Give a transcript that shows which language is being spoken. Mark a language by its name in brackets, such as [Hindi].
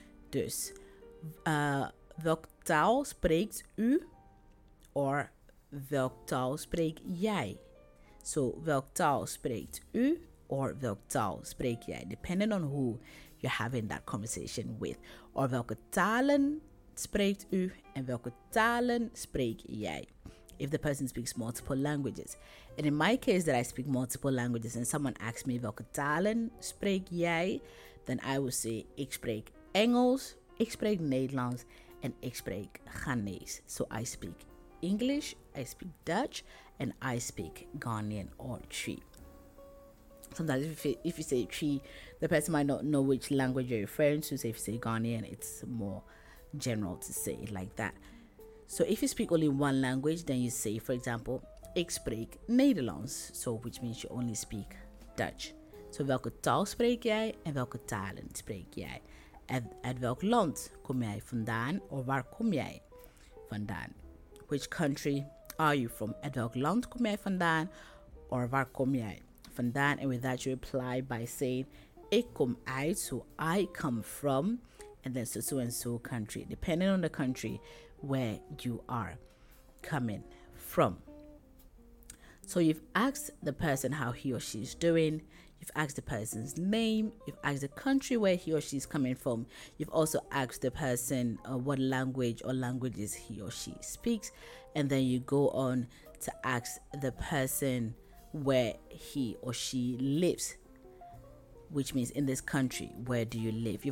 [Dutch] Dus, welk taal spreekt u? Or welk taal spreek jij? So welk taal spreekt u? Or welk taal spreek jij? [English] Depending on who you're having that conversation with. [Dutch] Or welke talen spreekt u? En welke talen spreek jij? [English] If the person speaks multiple languages. And in my case that I speak multiple languages and someone asks me [Dutch] welke talen spreek jij, [English] then I will say [Dutch] ik spreek Engels, ik spreek Nederlands en ik spreek Ghanese. [English] So I speak English, I speak Dutch and I speak Ghanaian or Twi. Sometimes if you say Twi, the person might not know which language you're referring to. So if you say Ghanaian, it's more general to say it like that. So if you speak only one language, then you say, for example, [Dutch] ik spreek Nederlands, [English] so which means you only speak Dutch. [Dutch] So welke taal spreek jij en welke talen spreek jij? Uit welk land kom jij vandaan of waar kom jij vandaan? [English] Which country are you from? [Dutch] Uit welk land kom jij vandaan or waar kom jij vandaan? [English] And with that you reply by saying [Dutch] ik kom uit, [English] so I come from, and then so and so country, depending on the country where you are coming from. So you've asked the person how he or she is doing, you've asked the person's name, you've asked the country where he or she is coming from, you've also asked the person what language or languages he or she speaks, and then you go on to ask the person where he or she lives, which means in this country, where do you live?